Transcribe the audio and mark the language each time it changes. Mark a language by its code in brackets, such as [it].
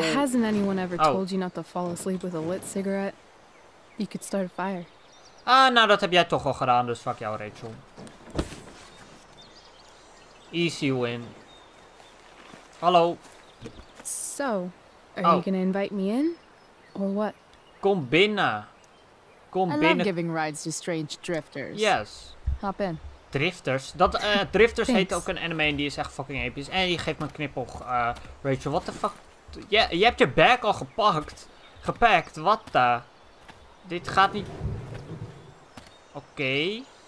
[en] Hasn't anyone ever told you not to fall asleep with a lit cigarette? You could start a fire. [nl] Ah, nou, dat heb jij toch al gedaan, dus fuck jou, Rachel. [en] Easy win. Hallo. So, are you gonna invite me in? Or what? [nl] Kom binnen. Kom [en] I [nl] binnen. [en] I love giving rides to strange drifters. Yes. Hop in. Drifters. [nl] Dat, Drifters heet ook een anime en die is echt fucking episch. En die geeft me een knipoog, Rachel. [en] What the fuck? [nl] Je hebt je bag al gepakt. Gepakt. Wat de? Dit gaat niet. Oké.